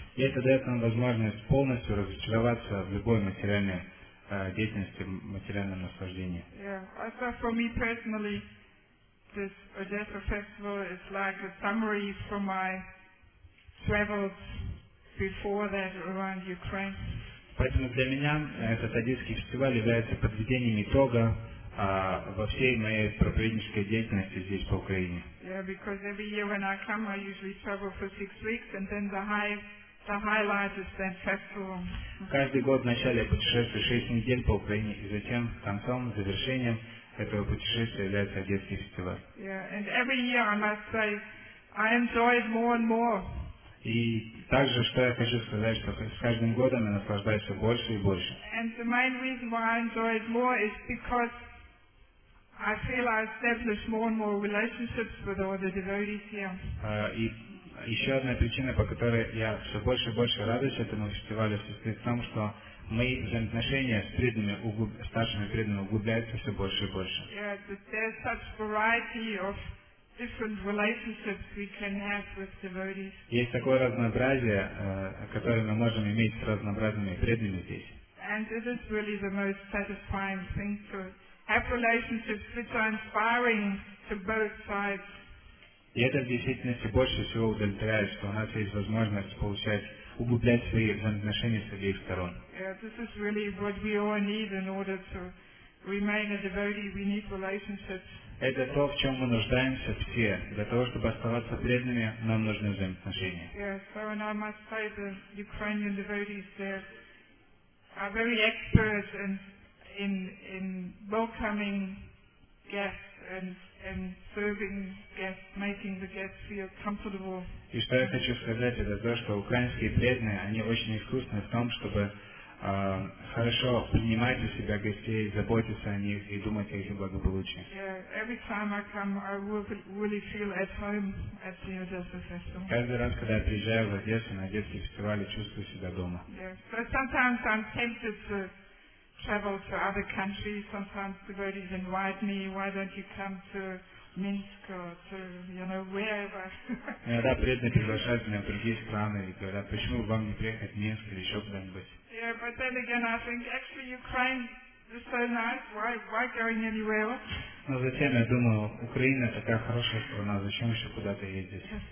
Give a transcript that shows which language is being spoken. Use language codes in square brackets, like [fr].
[ru] И это дает нам возможность полностью разочароваться в любой материальной деятельности, материальном наслаждении. [en] Yeah, also for me personally, this Odessa festival is like a summary for my travels before that around Ukraine. [ru] Поэтому для меня этот Одесский фестиваль является подведением итога во всей моей проповеднической деятельности здесь, по Украине. [en] Yeah, because every year when I come, I usually travel for 6 weeks, and then the highlight is that festival. [ru] Каждый год в начале я путешествую 6 недель по Украине, и затем концом, завершением этого путешествия является Одесский фестиваль. [en] Yeah, and every year I must say, I enjoy it more and more. [ru] И также, что я хочу сказать, что с каждым годом я наслаждаюсь все больше и больше. [en] And the main reason why I enjoy it more is because I feel I establish more and more relationships with all the devotees here. [ru] И еще одна причина, по которой я все больше и больше радуюсь этому фестивалю, состоит в том, что мои взаимоотношения с преданными, старшими преданными углубляются все больше и больше. [en] Yeah, there's such variety of different relationships we can have with devotees. [ru] Есть такое разнообразие, которое мы можем иметь с разнообразными преданными здесь. [en] And it is really the most satisfying thing to have relationships which are inspiring to both sides. [ru] И это в действительности больше всего удовлетворяет, что у нас есть возможность получать, углублять свои взаимоотношения с обеих сторон. [en] Yeah, this is really what we all need in order to remain a devotee. We need relationships. [ru] Это то, в чем мы нуждаемся все. Для того, чтобы оставаться преданными, нам нужны взаимоотношения. [en] Yes, so and I must say the Ukrainian devotees there are very experts in welcoming guests and serving guests, making the guests feel comfortable. [ru] И что я хочу сказать, это то, что украинские преданные, они очень искусны в том, чтобы хорошо принимать у себя гостей, заботиться о них и думать о их благополучии. [en] Yeah, every time I come, I really feel at home at the Odessa Festival. [ru] Каждый раз, когда я приезжаю в Одессу на Одесский фестиваль, чувствую себя дома. [en] Yeah, but sometimes I'm tempted to travel to other countries. Sometimes devotees invite me, why don't you come to Minsk or to, you know, wherever. [ru] Иногда преданные приглашают меня в другие страны и говорят, почему вам не приехать в Минск или еще куда-нибудь. [en] Yeah, but then again, I think actually Ukraine is so nice. Why going anywhere else? [ru] Но затем я думаю, Украина такая хорошая страна, зачем еще куда-то ездить?